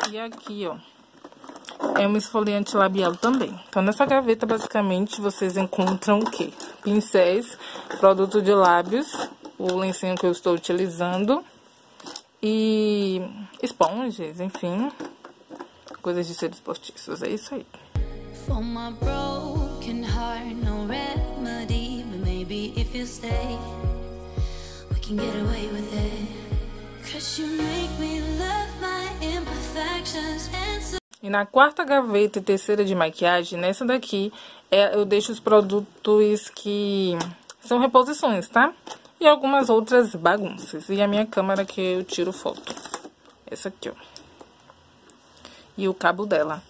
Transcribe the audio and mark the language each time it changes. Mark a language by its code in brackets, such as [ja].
[pt] E aqui, ó, é um esfoliante labial também. Então, nessa gaveta, basicamente, vocês encontram o quê? Pincéis, produto de lábios... O lencinho que eu estou utilizando. E esponjas, enfim. Coisas de seres postiços. É isso aí. [en] For my broken heart, no remedy. But maybe if you stay, we can get away with it. Cause you make me love my imperfections. [pt] E na quarta gaveta e terceira de maquiagem, nessa daqui, eu deixo os produtos que são reposições, tá? E algumas outras bagunças. E a minha câmera que eu tiro foto. Essa aqui, ó. E o cabo dela.